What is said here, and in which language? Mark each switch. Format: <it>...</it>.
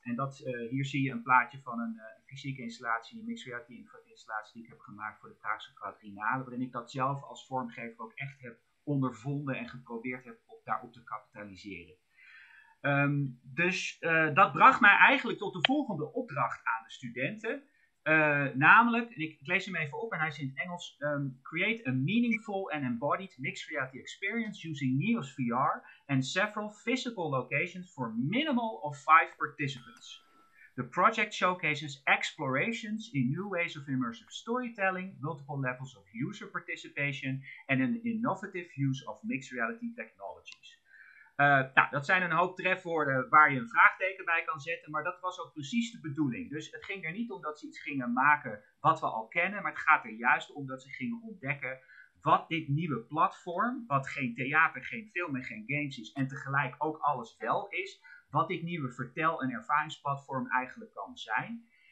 <nl>En dat, hier zie je een plaatje van een fysieke installatie, een mixed reality installatie die ik heb gemaakt voor de Praagse Quadrinale, waarin ik dat zelf als vormgever ook echt heb ondervonden en geprobeerd heb daarop te kapitaliseren. Dus dat bracht mij eigenlijk tot de volgende opdracht aan de studenten. Namelijk, en ik lees hem even op en hij is in het Engels.</nl> <en>Create a meaningful and embodied mixed reality experience using Neos VR and several physical locations for minimal of 5 participants. The project showcases explorations in new ways of immersive storytelling, multiple levels of user participation and an innovative use of mixed reality technologies.</en> <nl>Nou, dat zijn een hoop trefwoorden waar je een vraagteken bij kan zetten, maar dat was ook precies de bedoeling. Dus het ging er niet om dat ze iets gingen maken wat we al kennen, maar het gaat er juist om dat ze gingen ontdekken wat dit nieuwe platform, wat geen theater, geen film en geen games is en tegelijk ook alles wel is, wat dit nieuwe vertel- en ervaringsplatform eigenlijk kan zijn.</nl>